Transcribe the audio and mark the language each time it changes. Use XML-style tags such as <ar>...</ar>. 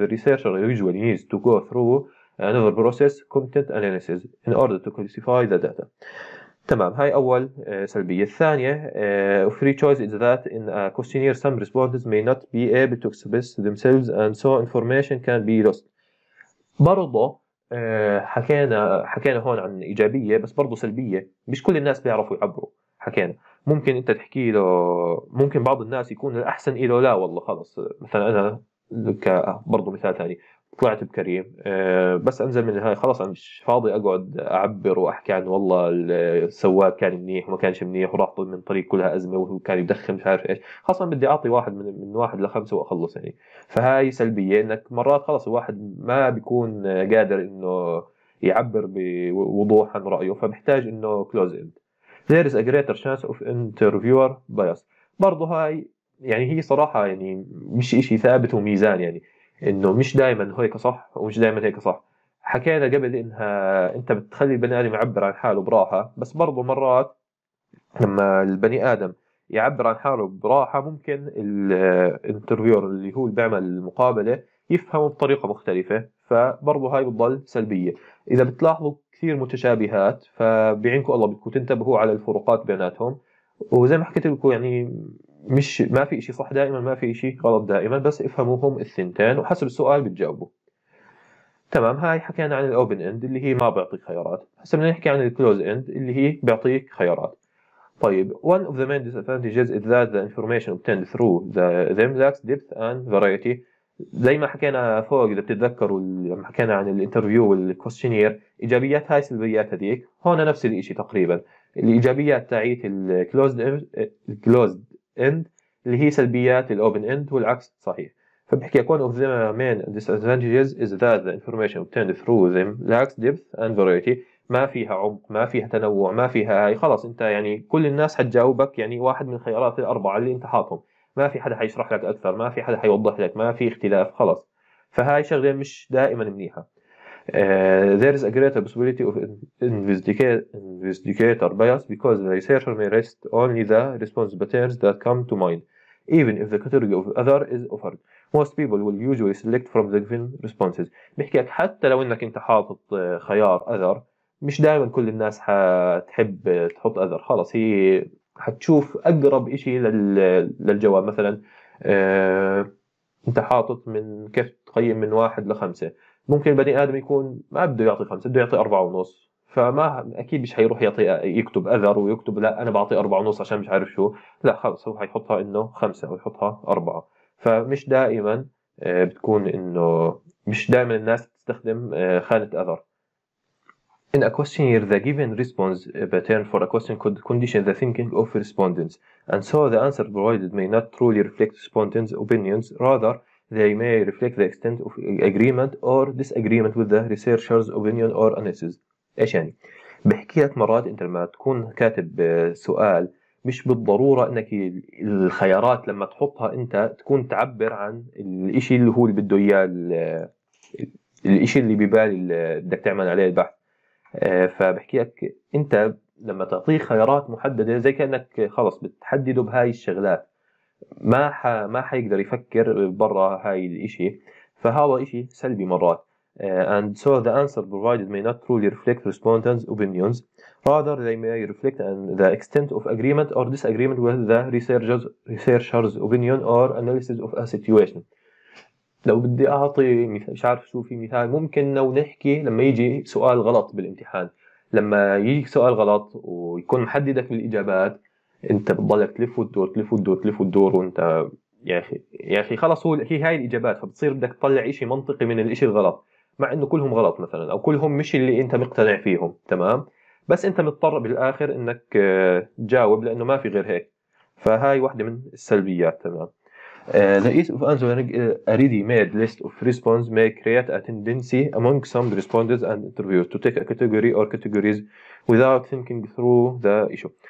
<en>The researcher usually needs to go through another process, content analysis, in order to classify the data.</en> <ar>تمام, هاي أول سلبية.</ar> <en>الثانية, free choice is that in a questionnaire some respondents may not be able to express themselves and so information can be lost.</en> <ar>برضو حكينا هون عن إيجابية بس برضو سلبية. مش كل الناس بيعرفوا يعبروا. حكينا ممكن أنت تحكي له, ممكن بعض الناس يكون الأحسن إله لا والله خلص. مثلا أنا برضو مثال ثاني, طلعت بكريم بس انزل من هاي خلاص انا مش فاضي اقعد اعبر واحكي عن والله السواق كان منيح وما كانش منيح وراح من طريق كلها ازمه وكان يدخن مش عارف ايش. خلاص انا بدي اعطي واحد من واحد لخمسه واخلص يعني. فهاي سلبيه انك مرات خلاص الواحد ما بيكون قادر انه يعبر بوضوح عن رايه فمحتاج انه كلوز اند.</ar> <en>There is a greater chance of interviewer bias.</en> <ar>برضه هاي يعني هي صراحه يعني مش شيء ثابت وميزان, يعني انه مش دائما هيك صح ومش دائما هيك صح. حكينا قبل انها انت بتخلي البني ادم يعبر عن حاله براحه, بس برضو مرات لما البني ادم يعبر عن حاله براحه ممكن الانترفيور اللي هو اللي بيعمل المقابله يفهمه بطريقه مختلفه. فبرضو هاي بتضل سلبيه. اذا بتلاحظوا كثير متشابهات فبعينكم الله بدكم تنتبهوا على الفروقات بيناتهم. وزي ما حكيت لكم يعني مش ما في إشي صح دائما ما في إشي غلط دائما, بس افهموهم الثنتين وحسب السؤال بتجاوبوا. تمام, هاي حكينا عن الاوبن اند اللي هي ما بيعطيك خيارات. هسه بدنا نحكي عن الكلوز اند اللي هي بيعطيك خيارات.</ar> <en>طيب, one of the main disadvantages is that the information obtained through them lacks depth and variety.</en> <ar>زي ما حكينا فوق اذا بتتذكروا لما حكينا عن الانترفيو والكوستشنير, ايجابيات هاي سلبيات هذيك. هون نفس الإشي تقريبا. الايجابيات تاعيت الكلوزد end اللي هي سلبيات الopen end والعكس صحيح.</ar> <en>فبحكي one of the main disadvantages is that the information obtained through them lacks depth and variety.</en> <ar>ما فيها عمق, ما فيها تنوع, ما فيها هاي. خلاص انت يعني كل الناس حتجاوبك يعني واحد من الخيارات الأربعة اللي انت حاطهم. ما في حدا حيشرح لك أكثر, ما في حدا حيوضح لك, ما في اختلاف خلاص. فهاي شغلة مش دائما منيحة.</ar> <en>There is a greater possibility of investigator bias because the researcher may rest only the response patterns that come to mind, even if the category of other is offered. Most people will usually select from the given responses.</en> <ar>بحكيك حتى لو انك انت حاطط خيار other, مش دائما كل الناس حتحب تحط other. خلاص هي حتشوف اقرب اشي للجواب. مثلا انت حاطط من كيف تقيم من واحد لخمسة, ممكن بني آدم يكون ما بده يعطي خمسة, بده يعطي أربعة ونص. فما أكيد مش هيروح يعطي يكتب أذر ويكتب لا أنا بعطي أربعة ونص عشان مش عارف شو. لا خلص هو هيحطها إنه خمسة أو يحطها أربعة. فمش دائما بتكون إنه مش دائما الناس تستخدم خانة أذر.</ar> <en>In a questionnaire, the given response pattern for a question could condition the thinking of respondents, and so the answer provided may not truly reflect respondents' opinions, rather they may reflect the extent of agreement or disagreement with the researcher's opinion or analysis.</en> <ar>ايش يعني؟ بحكي لك مرات انت لما تكون كاتب سؤال مش بالضروره انك الخيارات لما تحطها انت تكون تعبر عن الشيء اللي هو اللي بده اياه, الشيء اللي ببال بدك تعمل عليه البحث. فبحكي لك انت لما تعطيه خيارات محدده زي كانك خلص بتحدده بهاي الشغلات, ما حيقدر يفكر برا هاي الاشي. فهذا اشي سلبي مرات.</ar> <en>And so the answer provided may not truly reflect respondents' opinions, rather they may reflect the extent of agreement or disagreement with the researcher's opinion or analysis of a situation.</en> <ar>لو بدي اعطي مثال, مش عارف شو في مثال, ممكن لو نحكي لما يجي سؤال غلط بالامتحان. لما يجي سؤال غلط ويكون محددك بالاجابات انت بتضلك تلف وتدور تلف وتدور تلف وتدور وانت يا أخي خلاص، هو هي هاي الإجابات، فبتصير بدك تطلع إشي منطقي من الإشي الغلط، مع إنه كلهم غلط مثلاً، أو كلهم مش اللي أنت مقتنع فيهم، تمام؟ بس أنت مضطر بالآخر إنك تجاوب لأنه ما في غير هيك، فهاي واحدة من السلبيات، تمام؟</ar> <en>The ease of answering a ready-made list of response may create a tendency among some respondents and interviewers to take a category or categories without thinking through the issue.</en>